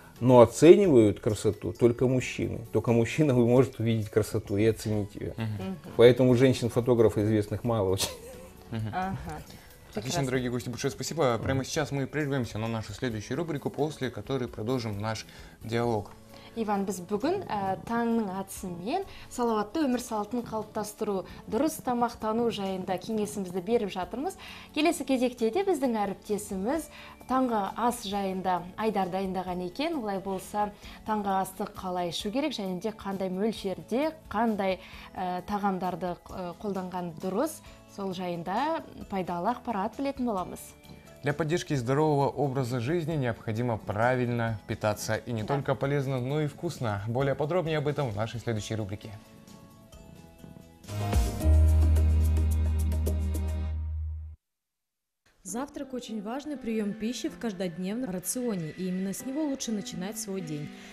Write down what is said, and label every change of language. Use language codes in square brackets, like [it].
[ru] Но оценивают красоту только мужчины. Только мужчина может увидеть красоту и оценить ее. Поэтому женщин-фотографов известных мало очень. Отлично, дорогие гости, большое спасибо. Прямо сейчас мы прервемся на нашу следующую рубрику, после которой продолжим наш диалог. [kk] Иван, біз бүгін таңның атысымен салауатты өмір салтын қалыптастыру, дұрыс тамақтану жайында кеңесімізді беріп жатырмыз. Келесі кезекте де біздің әріптесіміз таңғы ас жайында Айдар дайындаған екен. Олай болса, таңғы асты қалай ішу керек, және де қандай мөлшерде, қандай тағамдарды қолданған дұрыс, сол жайында пайдалы ақпарат білетін боламыз. [ru] Для поддержки здорового образа жизни необходимо правильно питаться. И не только полезно, но и вкусно. Более подробнее об этом в нашей следующей рубрике. Завтрак – очень важный прием пищи в каждодневном рационе, и именно с него лучше начинать свой день.